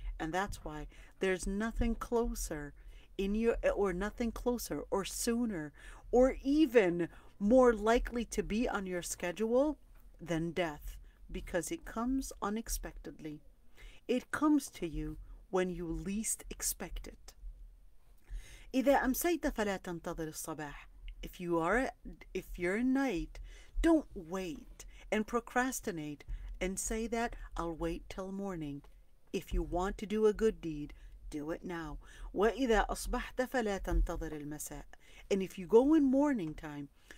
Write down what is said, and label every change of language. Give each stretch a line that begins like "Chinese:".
English: And that's why there's nothing closer in your, or nothing closer or sooner or even more likely to be on your schedule than death, because it comes unexpectedly. It comes to you when you least expect it.
Arabic: إذا أمسيت فلا تنتظر الصباح.
English: If you're in night, don't wait and procrastinate and say that I'll wait till morning. If you want to do a good deed, do it now.
Arabic: وإذا أصبحت فلا تنتظر المساء.
English: And if you go in morning time,